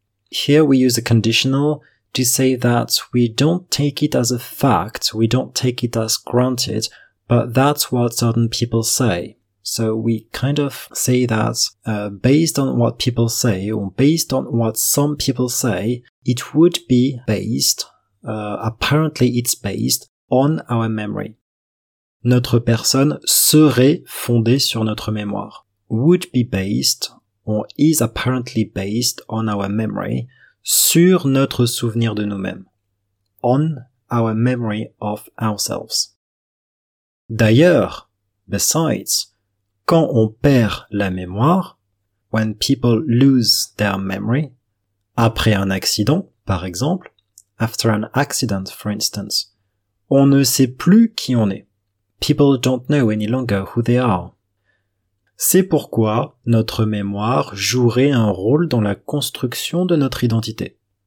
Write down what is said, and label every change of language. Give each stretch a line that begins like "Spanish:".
English: Here we use a conditional to say that we don't take it as a fact, we don't take it as granted, but that's what certain people say. So we kind of say that based on what people say, or based on what some people say, it would be based, apparently it's based, on our memory.
French: Notre personne serait fondée sur notre mémoire.
English: Would be based, or is apparently based on our memory,
French: sur notre souvenir de nous-mêmes.
English: On our memory of ourselves.
French: D'ailleurs,
English: besides,
French: quand on perd la mémoire,
English: when people lose their memory,
French: après un accident, par exemple,
English: after an accident, for instance,
French: on ne sait plus qui on est.
English: People don't know any longer who they are.
French: C'est pourquoi notre mémoire jouerait un rôle dans la construction de notre identité.